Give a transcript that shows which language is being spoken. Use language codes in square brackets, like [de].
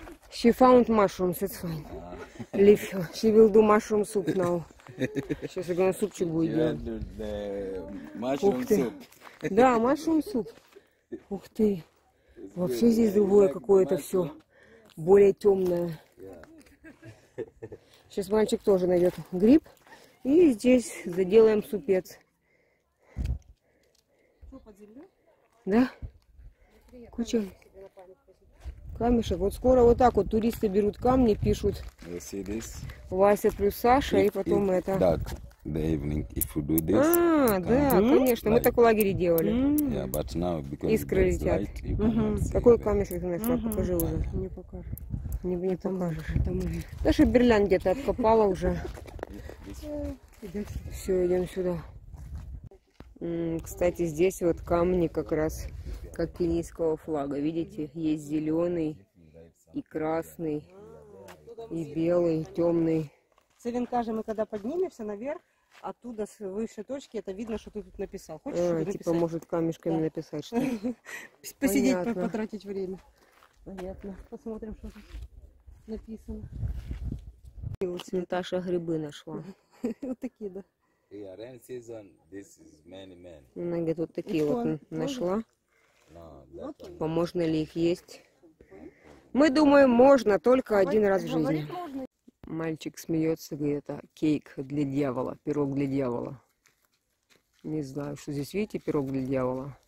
[en] She found mushrooms, it's fine. Leave. She will do mushroom soup now. [ru] Сейчас я говорю, супчик будет делать. Ух ты. [en] Да, mushroom soup. [ru] Ух ты. Вообще здесь другое какое-то все. Более темное. Сейчас мальчик тоже найдет гриб. И здесь заделаем супец. Да? Куча камешек. Вот скоро вот так вот туристы берут камни, пишут. Вася плюс Саша, и потом это. [en] Да, the evening, if we do this. [ru] А, да, конечно. Мы так в лагере делали. [en] Yeah, but now, because [ru] искры летят. [en] Light, [ru] какой камешек ты нашла? Покажи уже. Не покажу. Не покажешь. Это мы. Даша берлян где-то откопала уже. Все, идем сюда. Кстати, здесь вот камни как раз как кенийского флага. Видите, есть зеленый и красный и белый, темный. Целинкажи, мы когда поднимемся наверх, оттуда с высшей точки это видно, что ты тут написал. Хочешь что-то написать? Типа, может, камешками написать что-то. Посидеть, потратить время. Понятно. Посмотрим, что тут написано. Вот Наташа грибы нашла. Вот такие, да. [en] Yeah, rain season, this is many, many. [ru] Она где-то вот такие вот нашла. Типа, можно ли их есть? Мы думаем, можно только один раз в жизни. Мальчик смеется, говорит, это кейк для дьявола, пирог для дьявола. Не знаю, что здесь, видите, пирог для дьявола?